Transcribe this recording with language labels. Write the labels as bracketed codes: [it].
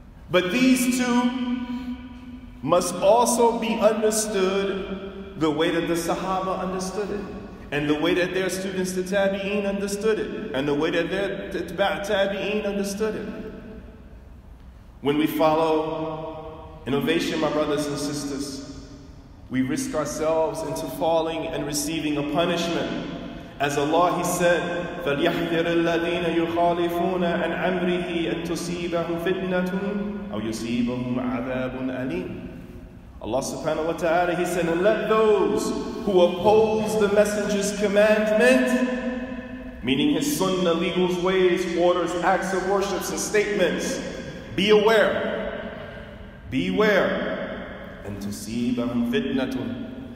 [en] But these two must also be understood the way that the Sahaba understood it, and the way that their students, the Tabi'een, understood it, and the way that their Tabi'een understood it. When we follow innovation, my brothers and sisters, we risk ourselves into falling and receiving a punishment. As Allah, he said, [ar] فَلْيَحْذِرِ الَّذِينَ يُخَالِفُونَ عَنْ عَمْرِهِ أَنْ تُصِيبَهُمْ فِتْنَةٌ أَوْ يُصِيبَهُمْ عَذَابٌ أَلِيمٌ. [en] Allah subhanahu wa ta'ala, he said, and let those who oppose the Messenger's commandment, meaning his sunnah, legal ways, orders, acts of worship, and statements, be aware. Beware, and to see them fitnatun.